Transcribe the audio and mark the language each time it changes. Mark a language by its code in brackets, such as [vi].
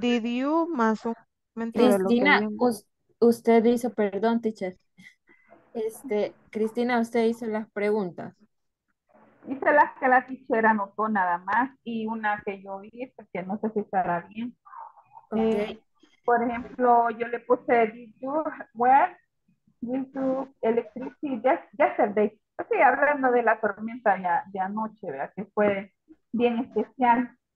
[en] Did you [es] más un momento Cristina, de lo que usted dice, perdón, teacher. Cristina, usted hizo las preguntas. Hice las que la teacher anotó nada más y una que yo vi, porque no sé si estará bien. Okay. Por ejemplo, yo le puse, [en] did you wear electricity yesterday? [es] Así, hablando de la tormenta de anoche, ¿verdad? Que fue bien especial.